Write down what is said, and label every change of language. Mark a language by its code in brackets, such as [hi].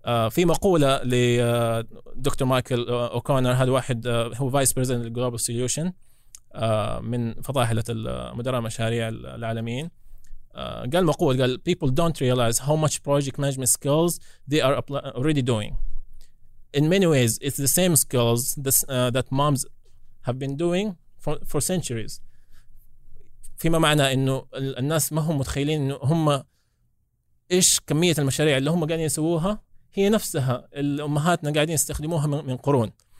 [ar] في مقولة لدكتور مايكل أوكونر، هذا واحد هو فايس بريزيدنت للجلوبال سوليوشن من فضائحلة المدراء المشاريع العالميين، قال مقولة، قال [en] people don't realize how much project management skills they are already doing. in many ways, it's the same skills this, that moms have been doing for centuries. [ar] فيما معنى إنه الناس ما هم متخيلين إنه هم إيش كمية المشاريع اللي هم قاعدين يسووها هي نفسها الأمهاتنا قاعدين يستخدموها من قرون.